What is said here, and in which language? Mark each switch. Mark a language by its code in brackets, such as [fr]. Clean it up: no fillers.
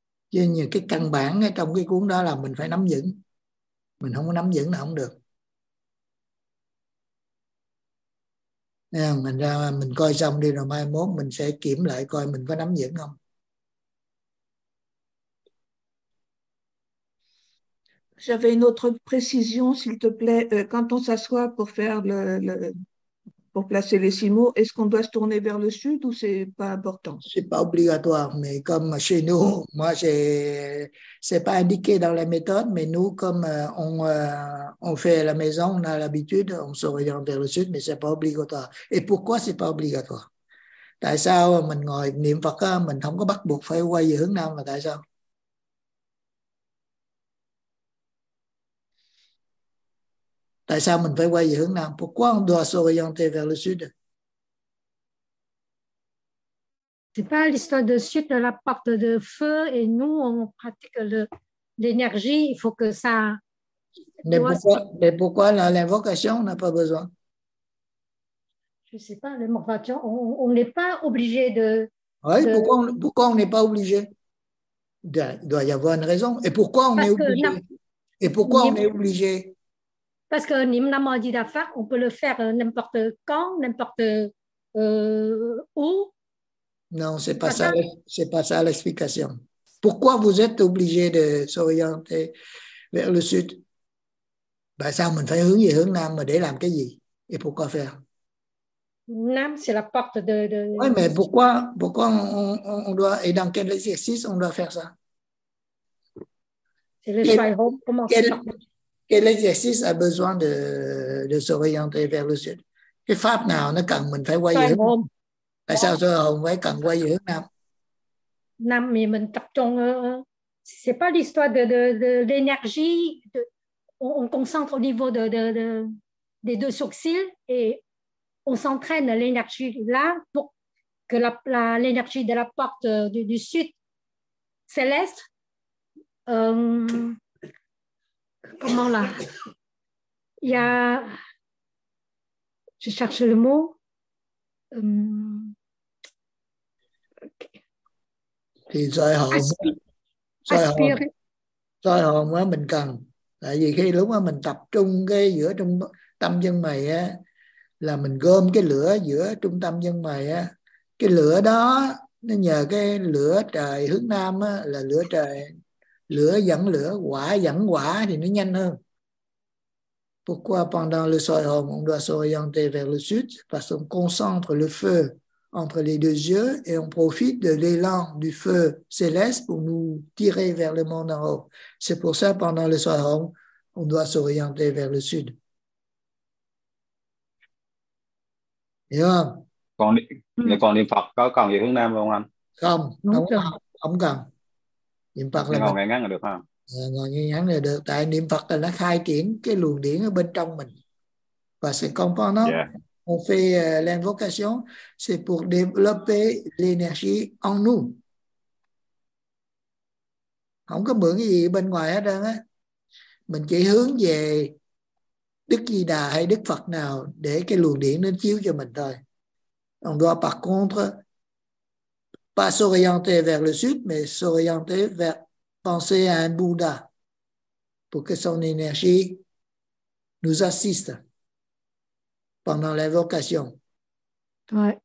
[vi] Chứ như cái căn bản trong cái cuốn đó là mình phải nắm vững. Mình không có nắm vững là không được. Mình ra mình coi xong đi rồi mai mốt mình sẽ kiểm lại coi mình có nắm vững không. [fr] J'avais une autre précision, s'il te plaît. Quand on s'assoit pour faire pour placer les six mots, est-ce qu'on doit se tourner vers le sud ou c'est pas important? C'est pas obligatoire, mais comme chez nous, moi, c'est pas indiqué dans la méthode, mais nous, comme on fait à la maison, on a l'habitude, on s'oriente vers le sud, mais c'est pas obligatoire. Et pourquoi c'est pas obligatoire? [vi] Tại sao mình ngồi niệm Phật, mình không có bắt buộc phải quay về hướng nam, mà tại sao? Tại sao mình phải quay về hướng nam? [fr] Pourquoi on doit s'orienter vers le sud? C'est pas l'histoire de sud de la porte de feu et nous on pratique l'énergie, il faut que ça. Mais pourquoi là l'invocation, on n'a pas besoin? Je sais pas, l'invocation, on n'est pas obligé de. Oui, pourquoi on n'est pas obligé? Il doit y avoir une raison. Et pourquoi on est obligé? Parce que Nim Namo Amida Phat, on peut le faire n'importe quand, n'importe où. Non, c'est pas ça l'explication. Pourquoi vous êtes obligé de s'orienter vers le sud? [vi] Ben, sao mình phải hướng về hướng nam mà để làm cái gì? [fr] Et pourquoi faire? Nam, c'est la porte de. Oui, mais pourquoi on doit et dans quel exercice on doit faire ça? Quel exercice a besoin de s'orienter vers le sud? [vi] Cái pháp nào nó cần mình phải quay về hướng nam? Tại sao soi hồn phải cần quay về hướng nam? Nam thì mình tập trung. [fr] C'est pas l'histoire de l'énergie. On concentre au niveau des deux sourcils et on s'entraîne l'énergie là pour que l'énergie de la porte du sud céleste. Comment là? Il y a. Je cherche le mot. [vi] Thì soi hồn. Soi hồn á mình cần. Tại vì khi lúc á mình tập trung cái giữa trung tâm chân mày á là mình gom cái lửa giữa trung tâm chân mày á, cái lửa đó nó nhờ cái lửa trời hướng nam á là lửa trời. Lửa dẫn lửa, quả dẫn quả thì nó nhanh hơn. [fr] Pourquoi pendant le soi hồn on doit s'orienter vers le sud? Parce qu'on concentre le feu entre les deux yeux et on profite de l'élan du feu céleste pour nous tirer vers le monde en haut. C'est pour ça pendant le soi hồn on doit s'orienter vers le sud. [vi] Hiểu không? Còn niệm Phật có cần về hướng nam không anh? Không cần. Niệm Phật là ngồi ngay ngắn là được. Tại niệm Phật là nó khai triển cái luồng điển ở bên trong mình. [fr] Và c'est comprenant. Yeah. On fait l'invocation, c'est pour développer l'énergie en nous. [vi] Không có mượn cái gì bên ngoài hết trơn á. Mình chỉ hướng về Đức Di Đà hay Đức Phật nào để cái luồng điển nó chiếu cho mình thôi. [fr] On doit par contre pas s'orienter vers le sud, mais s'orienter vers penser à un Bouddha pour que son énergie nous assiste pendant l'invocation. Ouais.